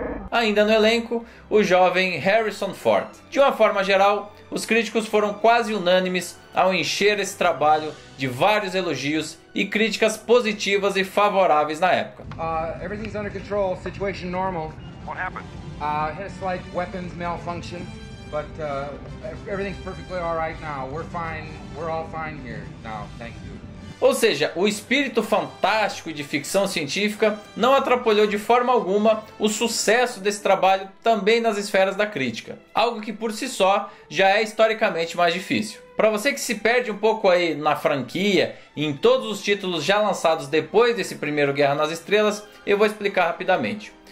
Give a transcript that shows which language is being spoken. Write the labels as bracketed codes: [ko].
[pt] Ainda no elenco, o jovem Harrison Ford. De uma forma geral, os críticos foram quase unânimes ao encher esse trabalho de vários elogios e críticas positivas e favoráveis na época. [en] Everything's under control, situation normal. What happened? Had a slight weapons malfunction, but everything's perfectly all right now. We're fine. We're all fine here now. Thank you. [pt] Ou seja, o espírito fantástico de ficção científica não atrapalhou de forma alguma o sucesso desse trabalho também nas esferas da crítica. Algo que por si só já é historicamente mais difícil. Para você que se perde um pouco aí na franquia e em todos os títulos já lançados depois desse primeiro Guerra nas Estrelas, eu vou explicar rapidamente.